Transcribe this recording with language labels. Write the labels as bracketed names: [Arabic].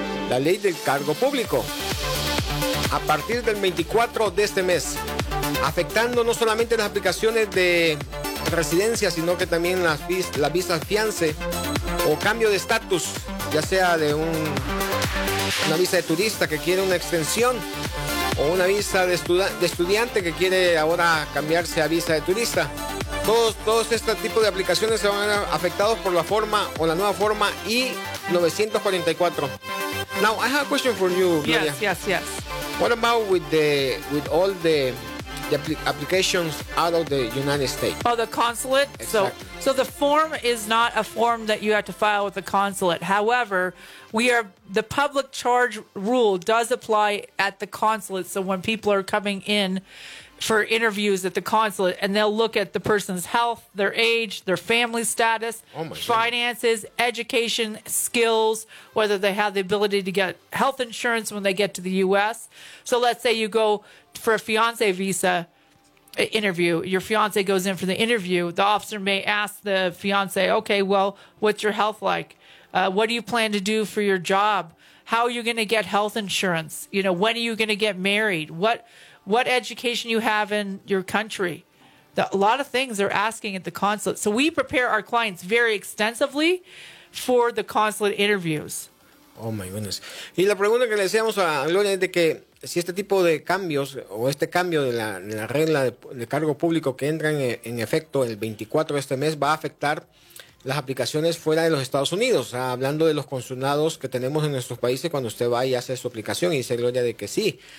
[Spanish] La ley del cargo público, a partir del 24 de este mes, afectando no solamente las aplicaciones de residencia, sino que también las visas fiance o cambio de estatus, ya sea de una visa de turista que quiere una extensión, o una visa de estudiante que quiere ahora cambiarse a visa de turista. Todos este tipo de aplicaciones se van a ver afectados por la forma o la nueva forma I-944. [English] Now, I have a question for you, Gloria. Yes, yes, yes. What about with all the applications out of the United States? Oh, the consulate? Exactly. So the form is not a form that you have to file with the consulate. However, the public charge rule does apply at the consulate. So when people are coming in for interviews at the consulate, and they'll look at the person's health, their age, their family status, finances, education, skills, whether they have the ability to get health insurance when they get to the U.S. So let's say you go for a fiancé visa interview. Your fiancé goes in for the interview. The officer may ask the fiancé, okay, well, what's your health like? What do you plan to do for your job? How are you going to get health insurance? You know, when are you going to get married? What education you have in your country? A lot of things they're asking at the consulate. So we prepare our clients very extensively for the consulate interviews. Oh, my goodness. [Spanish] Y la pregunta que le hacíamos a Gloria es de que si este tipo de cambios o este cambio de la regla de cargo público que entra en efecto el 24 de este mes va a afectar las aplicaciones fuera de los Estados Unidos, hablando de los consulados que tenemos en nuestros países cuando usted va y hace su aplicación, y dice Gloria de que sí.